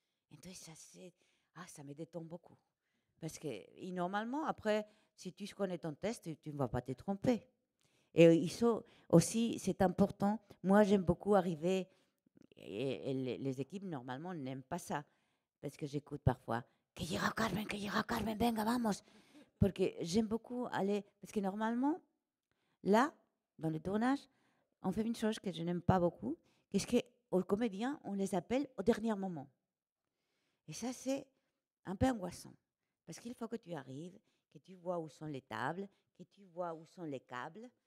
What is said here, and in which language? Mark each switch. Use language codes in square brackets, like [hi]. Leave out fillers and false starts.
[fr] Et donc, ça me détend beaucoup. Parce que normalement, après, si tu connais ton test, tu ne vas pas te tromper. Et aussi, c'est important. Moi, j'aime beaucoup arriver. Et les équipes, normalement, n'aiment pas ça. Parce que j'écoute parfois. [es] Que llega Carmen, venga, vamos. [fr] Parce que j'aime beaucoup aller. Parce que normalement, là, dans le tournage, on fait une chose que je n'aime pas beaucoup. Qu'est-ce qu'aux comédiens, on les appelle au dernier moment. Et ça, c'est un peu angoissant. Parce qu'il faut que tu arrives, que tu vois où sont les tables, que tu vois où sont les câbles.